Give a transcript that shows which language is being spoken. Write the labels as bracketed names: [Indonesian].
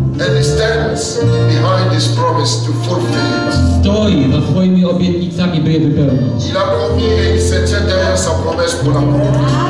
[English] And he stands behind his promise to fulfill it. [Polish] Stoi za swoimi obietnicami, by je wypełnić. [French] Il a promis et il se tient derrière sa promesse pour l'accomplir.